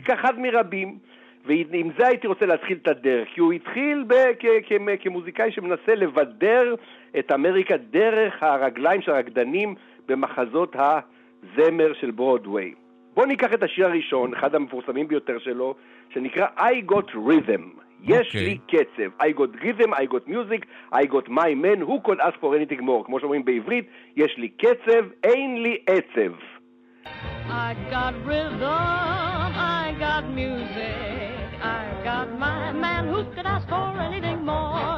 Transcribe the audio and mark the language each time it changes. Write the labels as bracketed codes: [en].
[he] כאחד מרבים, ועם זה הייתי רוצה להתחיל את הדרך, כי הוא התחיל כמוזיקאי שמנסה לבדר את אמריקה דרך הרגליים של הרקדנים במחזות הזמר של ברודווי. בואו ניקח את השיר הראשון, אחד המפורסמים ביותר שלו, שנקרא I Got Rhythm. יש לי קצב. [en] I got rhythm, I got music, I got my man, who could ask for anything more? [he] כמו שאומרים בעברית, יש לי קצב, אין לי עצב. [en] I got rhythm, I got music, I got my man, who could ask for anything more?